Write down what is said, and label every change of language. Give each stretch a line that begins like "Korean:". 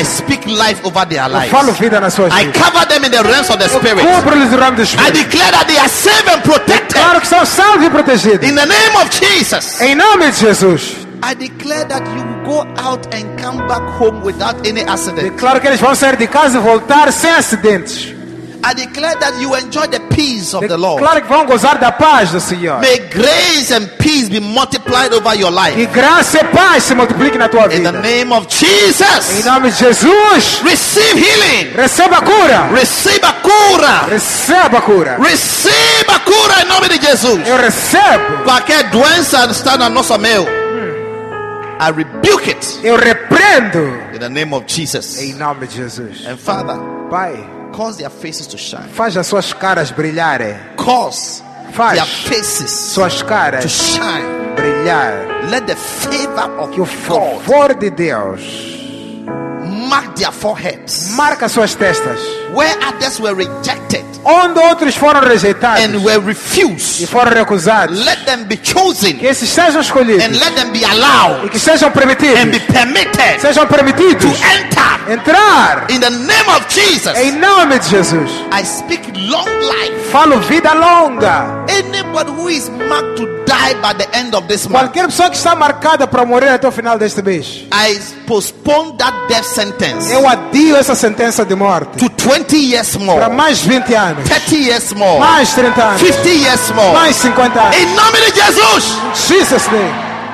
English: I speak life over their lives.
Portuguese: Eu falo vida nas suas vidas.
English: I cover them in the realms of the spirit.
Portuguese: Eu cubro-lhes no ramo do espírito.
English: I declare that they are safe and protected.
Portuguese: Declaro que são salvos e protegidos.
English: In the name of Jesus.
Portuguese: Em nome de Jesus.
English: I declare that you go out and come back home without any accident.
Portuguese: Declaro que eles vão sair de casa e voltar sem acidentes.
English: I declare that you enjoy the peace of the Lord.
Portuguese: Declaro que vão gozar da paz do Senhor.
English: May grace and peace be multiplied over your life.
Portuguese: Que graça e paz se multipliquem na tua vida.
English: In the name of Jesus.
Portuguese: Em nome de Jesus.
English: Receive healing.
Portuguese: Receba cura. Receba cura. Receba cura. Receba cura em nome de Jesus. Eu recebo. Qualquer doença está na nossa mão.
English: I rebuke it.
Portuguese: Eu repreendo.
English: In the name of Jesus.
Portuguese: Em nome de Jesus.
English: And Father.
Portuguese: Pai.
English: Cause their faces to shine.
Portuguese: Faz as suas caras brilharem.
English: Cause
Portuguese: faz
English: their faces
Portuguese: suas caras
English: to shine.
Portuguese: Brilhar.
English: Let the favor of
Portuguese: que o favor de Deus
English: mark their foreheads.
Portuguese: Marca suas testas.
English: Where others were rejected.
Portuguese: Onde outros foram rejeitados.
English: And were refused.
Portuguese: E foram recusados.
English: Let them be chosen.
Portuguese: Que esses sejam escolhidos.
English: And let them be allowed.
Portuguese: E que sejam permitidos.
English: And be permitted.
Portuguese: Sejam permitidos.
English: To enter.
Portuguese: Entrar.
English: In the name of Jesus.
Portuguese: Em nome de Jesus.
English: I speak long life.
Portuguese: Falo vida longa.
English: Anybody who is marked to die by the end of this month.
Portuguese: Qualquer pessoa que está marcada para morrer até o final deste mês.
English: I postpone that death sentence.
Portuguese: Eu adio essa sentença de morte.
English: To 20 years more.
Portuguese: Para mais 20 anos.
English: 30 years more.
Portuguese: Mais 30 anos.
English: 50 years more.
Portuguese: Mais 50 anos. Em nome de Jesus.
English: Jesus name.